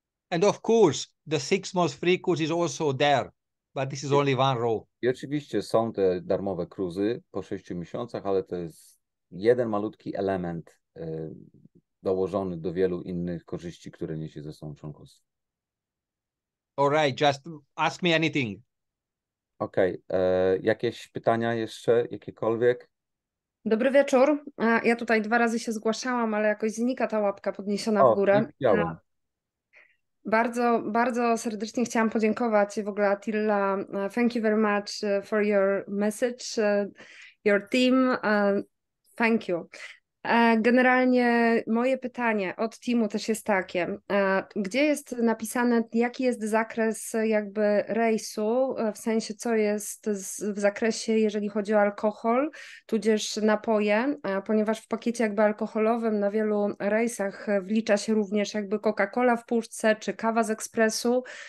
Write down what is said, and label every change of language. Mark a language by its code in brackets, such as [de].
[en] And of course, the 6 months free cruise is also there. But this is only one row. [pl] I oczywiście są te darmowe kruzy po 6 miesiącach, ale to jest jeden malutki element dołożony do wielu innych korzyści, które niesie ze sobą członkostwo. [en] All right, just ask me anything. [pl] Okej, jakieś pytania jeszcze, jakiekolwiek? Dobry wieczór. Ja tutaj dwa razy się zgłaszałam, ale jakoś znika ta łapka podniesiona w górę. Nie widziałem. Bardzo, bardzo serdecznie chciałam podziękować w ogóle Attila. [en] Thank you very much for your message, your team. Thank you. [pl] Generalnie moje pytanie od teamu też jest takie. Gdzie jest napisane, jaki jest zakres jakby rejsu, w sensie co jest w zakresie, jeżeli chodzi o alkohol, tudzież napoje, ponieważ w pakiecie jakby alkoholowym na wielu rejsach wlicza się również jakby Coca-Cola w puszce czy kawa z ekspresu.